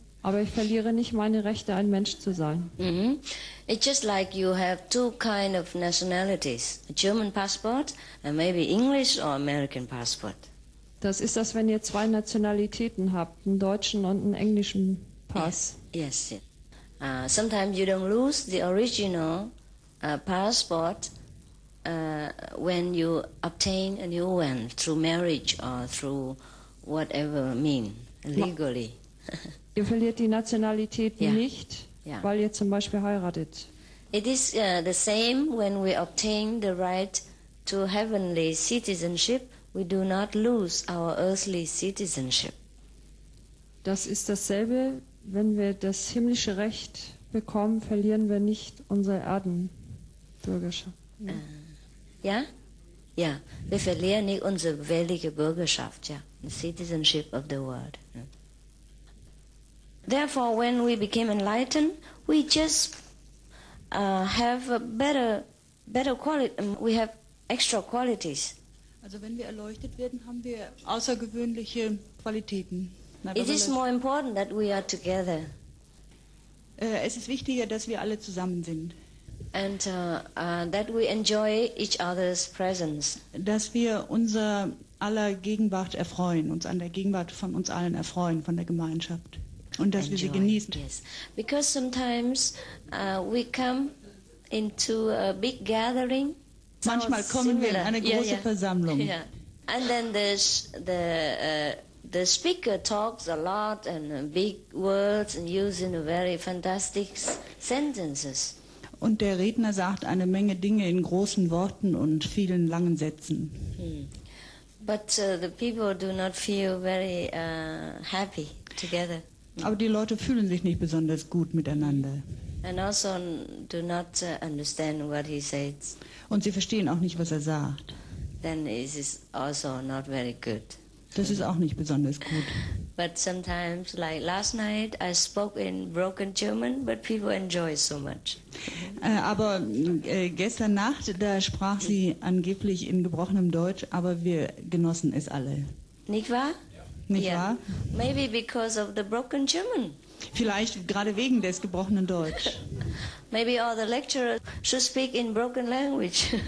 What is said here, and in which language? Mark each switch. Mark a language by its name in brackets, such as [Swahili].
[German] Aber ich verliere nicht meine Rechte, ein Mensch zu sein. Mm-hmm. [English] It's just like you have two kind of nationalities, a German passport and maybe English or American passport. [German] Das ist das, wenn ihr zwei Nationalitäten habt, einen deutschen und einen englischen Pass. [English] Yes, yes. Sometimes you don't lose the original passport when you obtain a new one through marriage or through whatever mean, legally. [German] Ihr verliert die Nationalität nicht, weil ihr zum Beispiel heiratet. [English] It is the same when we obtain the right to heavenly citizenship. We do not lose our earthly citizenship. [German] Das ist dasselbe, wenn wir das himmlische Recht bekommen, verlieren wir nicht unsere Erdenbürgerschaft. Ja, wir verlieren nicht unsere weltliche Bürgerschaft, [English] the citizenship of the world. Therefore, when we became enlightened, we just have a better quality. We have extra qualities. [German] Also wenn wir erleuchtet werden, haben wir außergewöhnliche Qualitäten. [English] It is more important that we are together. [German] Es ist wichtiger, dass wir alle zusammen sind. [English] And that we enjoy each other's presence. [German] Dass wir unser aller Gegenwart erfreuen, uns an der Gegenwart von uns allen erfreuen, von der Gemeinschaft. Und dass [English] enjoy, [German] wir sie genießen. [English] Yes. Because sometimes we come into a big gathering. [German] Manchmal kommen wir in eine große Versammlung. [English] Yeah. And then the speaker talks a lot and big words and using very fantastic sentences. [German] Und der Redner sagt eine Menge Dinge in großen Worten und vielen langen Sätzen. Hmm. [English] But the people do not feel very happy together. [German] Aber die Leute fühlen sich nicht besonders gut miteinander. [English] And also do not understand what he said. [German] Und sie verstehen auch nicht, was er sagt. [English] Then it is also not very good. [German] Das ist auch nicht besonders gut. [English] But sometimes, like last night, I spoke in broken German, but people enjoy so much. [German] Aber gestern Nacht, da sprach sie angeblich in gebrochenem Deutsch, aber wir genossen es alle. Nicht wahr? Nicht wahr? [English] Maybe because of the broken German. [German] Vielleicht gerade wegen des gebrochenen Deutsch. [English] Maybe all the lecturers should speak in broken language.